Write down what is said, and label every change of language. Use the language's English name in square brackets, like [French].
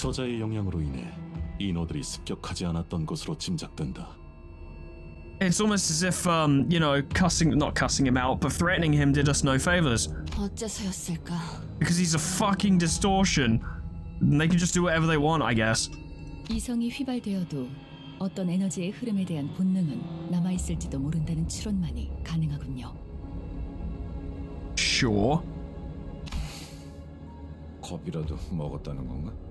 [Korean] 저자의 영향으로 인해 인어들이 습격하지 않았던 것으로 짐작된다. [English] It's almost as if, you know, not cussing him out, but threatening him did us no favors. [Korean] 어째서였을까? [English] Because he's a fucking distortion. And they can just do whatever they want, I guess. [Korean] 이성이 휘발되어도 어떤 에너지의 흐름에 대한 본능은 남아있을지도 모른다는 추론만이 가능하군요. [English] Sure. [Korean] 겁이라도 먹었다는 건가?